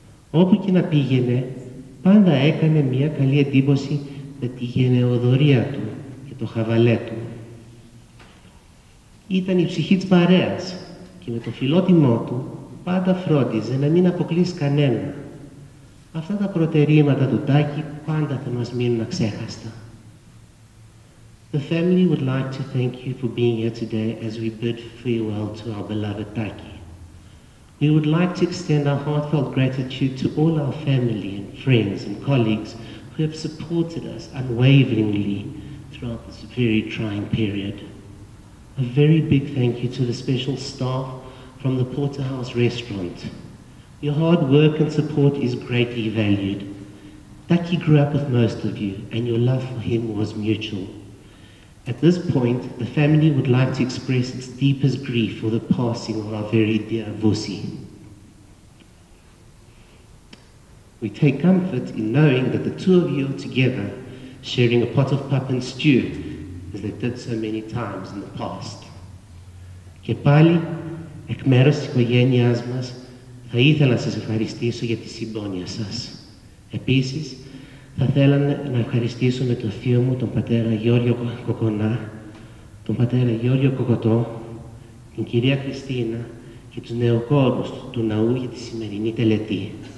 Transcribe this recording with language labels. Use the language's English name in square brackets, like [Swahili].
[Greek] Όπου και να πήγαινε, πάντα έκανε μια καλή εντύπωση με τη γενναιοδορία του και το χαβαλέ του. Ήταν η ψυχή της παρέας και με το φιλότιμό του πάντα φρόντιζε να μην αποκλείσει κανένα. Αυτά τα προτερήματα του Τάκη πάντα θα μας μείνουν αξέχαστα. [English] The family would like to thank you for being here today as we bid farewell to our beloved Taki. We would like to extend our heartfelt gratitude to all our family and friends and colleagues who have supported us unwaveringly throughout this very trying period. A very big thank you to the special staff from the Porterhouse restaurant. Your hard work and support is greatly valued. Taki grew up with most of you, and your love for him was mutual. At this point, the family would like to express its deepest grief for the passing of our very dear Vusi. We take comfort in knowing that the two of you are together, sharing a pot of pap and stew, as they did so many times in the past. [Greek] Και πάλι, εκ μέρους της οικογένειάς μας, θα ήθελα να σας ευχαριστήσω για τη συμπόνια σας. Επίσης, θα θέλανε να ευχαριστήσουμε τον θείο μου, τον πατέρα Γιώργιο Κοκονά, τον πατέρα Γιώργιο Κοκοτό, την κυρία Χριστίνα και τους νεοκόρους του ναού για τη σημερινή τελετή.